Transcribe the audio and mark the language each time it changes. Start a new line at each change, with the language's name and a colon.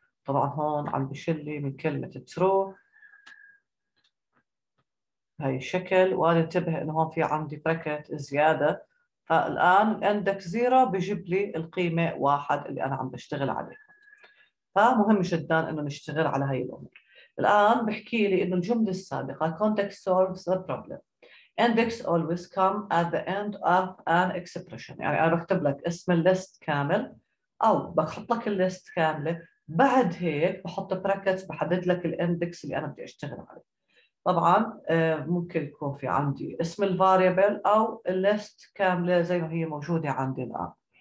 Arabic: طبعا هون عم بشيل لي من كلمه ترو بهي الشكل، وانا انتبه انه هون في عندي براكت زياده. فالان الاندكس 0 بجيب لي القيمه 1 اللي انا عم بشتغل عليها. فمهم جدا انه نشتغل على هي الامور. الان بحكي لي انه الجمله السابقه
English: context solves the problem. Index always come at the end of an expression.
Arabic: يعني أنا بكتب لك اسم الليست كامل أو بحط لك الليست كاملة، بعد هيك بحط brackets بحدد لك الindex اللي أنا بدي أشتغل عليه. طبعا ممكن يكون في عندي اسم ال variable أو الليست كاملة زي ما هي موجودة عندي الآن.